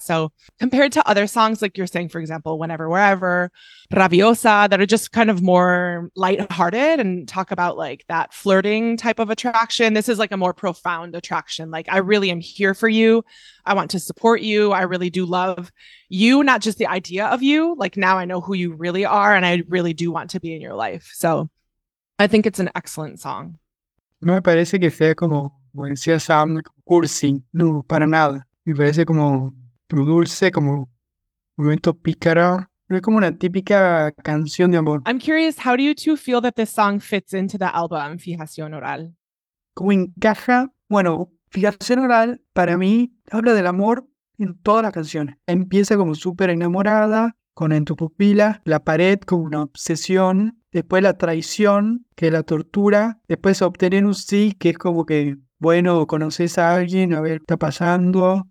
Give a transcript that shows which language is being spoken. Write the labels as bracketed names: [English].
[English] So compared to other songs, like you're saying, for example, Whenever, Wherever, Rabiosa, that are just kind of more lighthearted and talk about like that flirting type of attraction. This is like a more profound attraction. Like, I really am here for you. I want to support you. I really do love you, not just the idea of you. Like, now I know who you really are and I really do want to be in your life. So I think it's an excellent song. [Spanish] No me parece que sea como decía Sam, cursi. No, para nada. Me parece como dulce, como un momento pícaro. No es como una típica canción de amor. [English] I'm curious, how do you two feel that this song fits into the album, Fijación Oral? [Spanish] ¿Cómo encaja? Bueno, Fijación Oral, para mí, habla del amor en todas las canciones. Empieza como súper enamorada, con En tu pupila, la pared como una obsesión. Después la traición, que es la tortura. Después obtener un sí, que es como que, bueno, conoces a alguien, a ver qué está pasando.